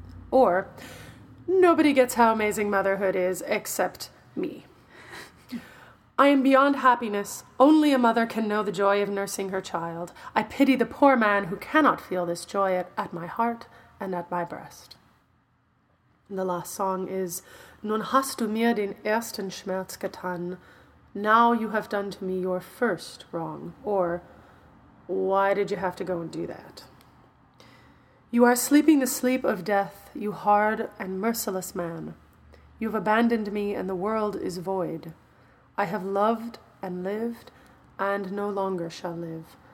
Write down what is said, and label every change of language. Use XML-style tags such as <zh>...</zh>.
<en>Or, nobody gets how amazing motherhood is except me. I am beyond happiness. Only a mother can know the joy of nursing her child. I pity the poor man who cannot feel this joy at my heart and at my breast. And the last song is,</en> <de>Nun hast du mir den ersten Schmerz getan.</de> <en>Now you have done to me your first wrong. Or, why did you have to go and do that? You are sleeping the sleep of death, you hard and merciless man. You have abandoned me and the world is void. I have loved and lived and no longer shall live.</en>